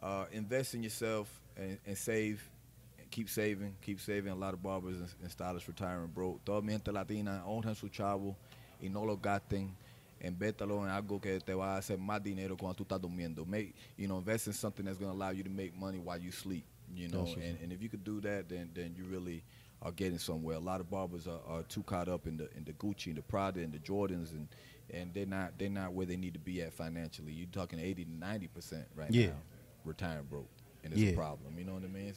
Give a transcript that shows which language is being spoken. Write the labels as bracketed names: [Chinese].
[English] Invest in yourself and save. Keep saving. A lot of barbers and stylists retiring broke. [Spanish] Toda mi gente latina, honren su chavo y no lo gasten. Invéstalo en algo que te va a hacer más dinero cuando tú estás durmiendo. [English] You know, invest in something that's going to allow you to make money while you sleep. You know, and if you could do that, then you really are getting somewhere. A lot of barbers are too caught up in the Gucci and the Prada and the Jordans, and they're not where they need to be at financially. You're talking 80-90% right now, retiring broke, and it's a problem. You know what I mean?